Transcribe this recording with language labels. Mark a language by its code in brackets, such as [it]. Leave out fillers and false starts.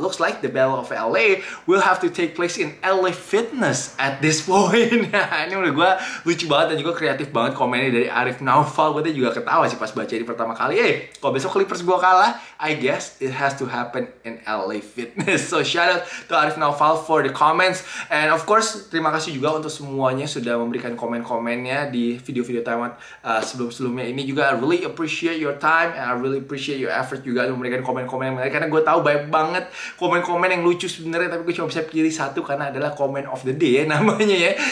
[en] Looks like the Battle of LA will have to take place in LA Fitness at this point. [id] Ini menurut gue lucu banget dan juga kreatif banget komennya dari Arif Naufal. Gue juga ketawa sih pas baca ini pertama kali. Kalau besok Clippers gue kalah, [en] I guess it has to happen in LA Fitness. So shout out to Arif Naufal for the comments. And of course [id] terima kasih juga untuk semuanya sudah memberikan komen-komennya di video-video Time Out sebelum-sebelumnya ini juga. [en] I really appreciate your time and I really appreciate your effort [id] juga untuk memberikan komen-komen yang menarik, karena gue tahu banyak banget komen-komen yang lucu sebenarnya, tapi gue cuma bisa pilih satu karena adalah [en] comment of the day [id] ya, namanya ya.